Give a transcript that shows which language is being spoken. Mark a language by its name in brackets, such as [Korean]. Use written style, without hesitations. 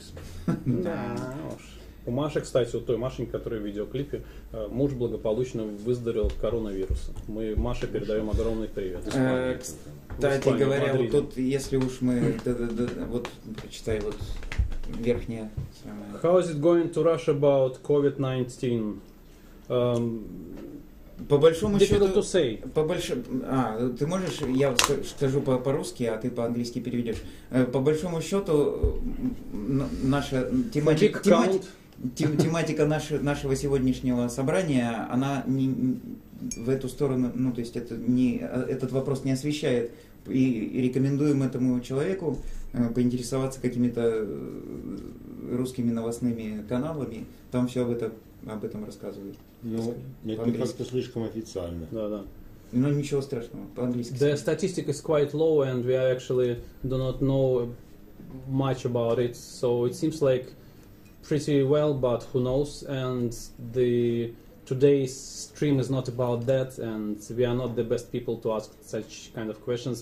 [Russian] смену. Да уж. У Маши, кстати, у той Машеньки, которая в видеоклипе, муж благополучно выздоровел от коронавируса. Мы Маше передаем огромный привет. Кстати говоря, вот тут, если уж мы, вот, почитай, вот, верхняя. [English] How is it going to rush about COVID-19? [Russian] По большому счету, ты можешь, я скажу по-русски, а ты по-английски переведешь. По большому счету, наша тематика... Тематика нашего сегодняшнего собрания, она не в эту сторону, ну, то есть это не, этот вопрос не освещает. И рекомендуем этому человеку поинтересоваться какими-то русскими новостными каналами. Там все об этом рассказывают. Ну, это как-то слишком официально. Да, да. Ну, ничего страшного, по-английски. [English] The statistic is quite low, and we actually do not know much about it. So it seems like pretty well, but who knows, and the today's stream is not about that, and we are not the best people to ask such kind of questions.